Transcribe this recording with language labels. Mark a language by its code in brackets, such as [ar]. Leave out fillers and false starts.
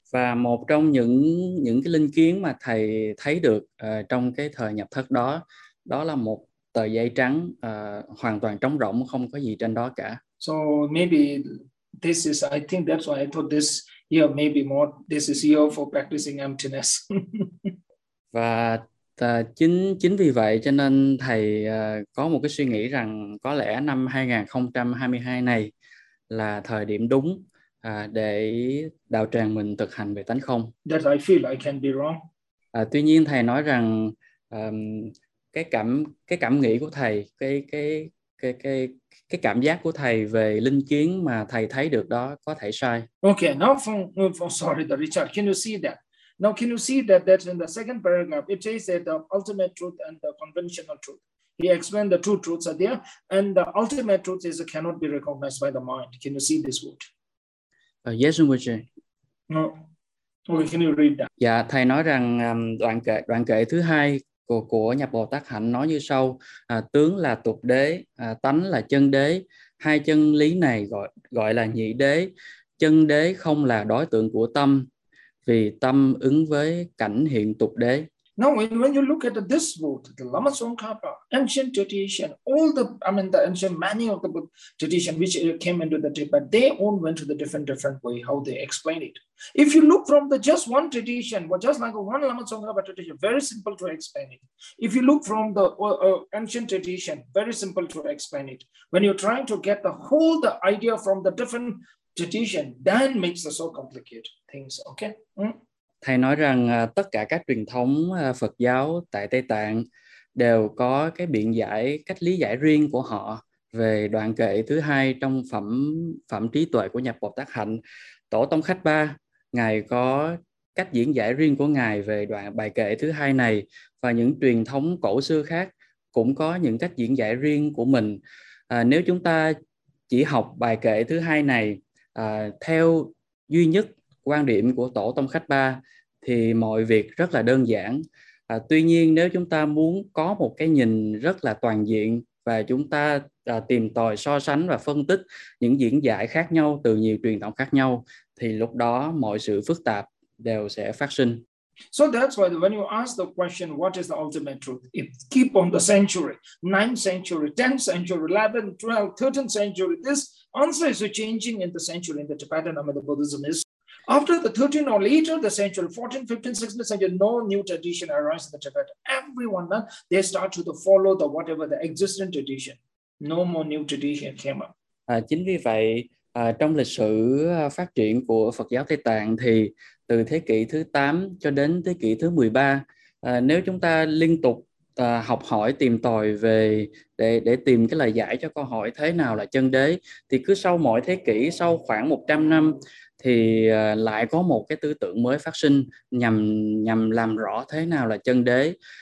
[vi] Và một trong những cái linh kiến mà thầy thấy được trong cái thời nhập thất đó, đó là một tờ giấy trắng hoàn toàn trống rỗng, không có gì trên đó cả. [en] So maybe this is, I think that's why I thought this year, maybe more, this is year for practicing emptiness. [vi] Và chính vì vậy cho nên thầy có một cái suy nghĩ rằng có lẽ năm 2022 này là thời điểm đúng để đạo tràng mình thực hành về tánh không. [en] That I feel I can be wrong. [vi] Tuy nhiên thầy nói rằng cái cảm nghĩ của thầy, cái cảm giác của thầy về linh kiến mà thầy thấy được đó có thể sai. [en] Okay, now Richard, can you see that? Now can you see that in the second paragraph it says that the ultimate truth and the conventional truth. He explained the two truths are there and the ultimate truth is cannot be recognized by the mind. Can you see this word? Yes, Rinpoche. No. Okay, can you read that? [vi] Dạ, thầy nói rằng đoạn kệ thứ hai của Nhập Bồ Tát Hạnh nói như sau: tướng là tục đế, tánh là chân đế, hai chân lý này gọi là nhị đế. Chân đế không là đối tượng của tâm, vì tâm ứng với cảnh hiện tục đế. [en] Now when you look at this book, the Lama Tsongkhapa, ancient tradition, the ancient many of the book tradition which came into the Tibet, they all went to the different way how they explain it. If you look from the just one tradition, just like one Lama Tsongkhapa tradition, very simple to explain it. If you look from the ancient tradition, very simple to explain it. When you're trying to get the idea from the different tradition, that makes it so complicated things, okay? [vi] Thầy nói rằng tất cả các truyền thống Phật giáo tại Tây Tạng đều có cái biện giải, cách lý giải riêng của họ về đoạn kệ thứ hai trong phẩm trí tuệ của Nhập Bồ Tát Hạnh. Tổ Tông Khách Ba, Ngài có cách diễn giải riêng của Ngài về đoạn bài kệ thứ hai này, và những truyền thống cổ xưa khác cũng có những cách diễn giải riêng của mình. Nếu chúng ta chỉ học bài kệ thứ hai này theo duy nhất quan điểm của Tổ Tông Khách Ba thì mọi việc rất là đơn giản. Tuy nhiên nếu chúng ta muốn có một cái nhìn rất là toàn diện và chúng ta tìm tòi so sánh và phân tích những diễn giải khác nhau từ nhiều truyền thống khác nhau thì lúc đó mọi sự phức tạp đều sẽ phát sinh. [en] So that's why when you ask the question what is the ultimate truth, it keep on the century, 9th century, 10th century, 11th, 12th, 13th century, this answer is changing in the century in the Tibetan and the Buddhism is after the 13th or later the century, 14th, 15th, 16th century, no new tradition arises in the Tibet. Everyone, they start to follow the whatever the existing tradition. No more new tradition came up. [vi] Chính vì vậy, trong lịch sử phát triển của Phật giáo Tây Tạng thì từ thế kỷ thứ 8 cho đến thế kỷ thứ 13, nếu chúng ta liên tục học hỏi, tìm tòi về để tìm cái lời giải cho câu hỏi thế nào là chân đế, thì cứ sau mỗi thế kỷ, sau khoảng 100 năm, thì lại có một cái tư tưởng mới phát sinh nhằm làm rõ thế nào là chân đế.